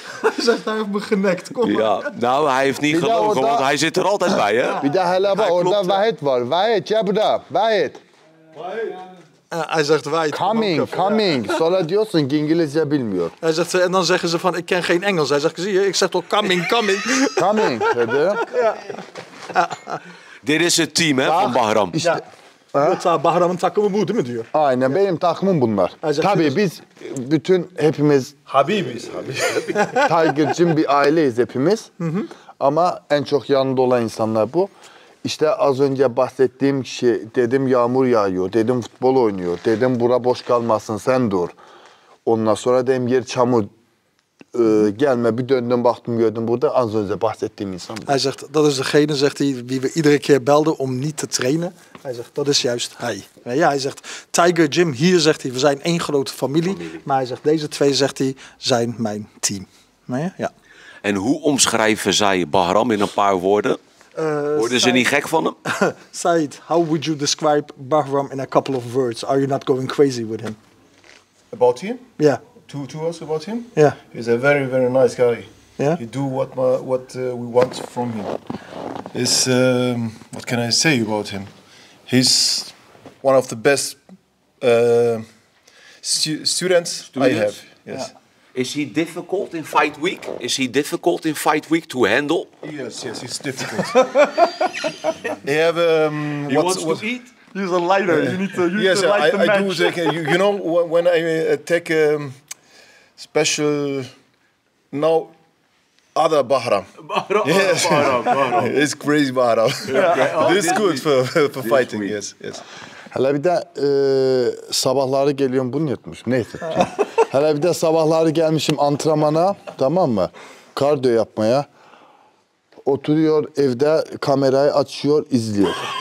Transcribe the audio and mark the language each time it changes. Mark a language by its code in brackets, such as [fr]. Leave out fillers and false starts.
[nl] Hij zegt, hij heeft me genekt, kom ja, maar. Nou, hij heeft niet gelogen, want hij zit er altijd bij, hè? [tr] Bir daha hele bak, orada Vahit var. Vahit, ya burada. Vahit. [nl] Hij zegt, Vahit. [en] Coming. [tr] Sonra diyorsun, İngilizce bilmiyor. [nl] Hij zegt, en dan zeggen ze van, ik ken geen Engels. Hij zegt, zie je, ik zeg toch coming. [en] Coming, [tr] dedi. [nl] Dit is het team, hè, van Bahram. Ja. [tr] Yoksa Bahram'ın takımı bu değil mi diyor? Aynen yani. Benim takımım bunlar. Acak tabii biz bütün hepimiz... Habibiz. Tiger'cim bir aileyiz hepimiz. Ama en çok yanında olan insanlar bu. İşte az önce bahsettiğim kişi dedim yağmur yağıyor, dedim futbol oynuyor, dedim bura boş kalmasın sen dur. Ondan sonra dedim yer çamur. Gelme bir döndüm baktım gördüm burada az önce bahsettiğim insan. [nl] Hij zegt dat is degene zegt hij die we iedere keer belden om niet te trainen. Hij zegt dat is juist hij. Ja, hij zegt Tiger Jim hier zegt hij we zijn één grote familie. Maar hij zegt deze twee zegt hij zijn mijn team. Ja. En hoe omschrijven zij Bahram in een paar woorden? Worden ze niet gek van hem? [en] Said, how would you describe Bahram in a couple of words? Are you not going crazy with him? About him? Yeah. To us about him? Yeah. He's a very, very nice guy. Yeah. He do what we want from him. He's, what can I say about him? He's one of the best students I have. Yes. Yeah. Is he difficult in fight week? Is he difficult in fight week to handle? Yes, he's difficult. He have, he wants to eat? He's a lighter. Yeah. You need to light the match. Yes, I do. Take, you know, when I take... special, no, other Bahram. Bahram. It's crazy Bahram. Yeah. This is good for fighting, week. Yes. [tr] Hele bir de sabahları geliyorum, bunu yetmiş. Neyse. Hele bir de sabahları gelmişim antrenmana, tamam mı? Kardiyo yapmaya. Oturuyor evde, kamerayı açıyor, izliyor.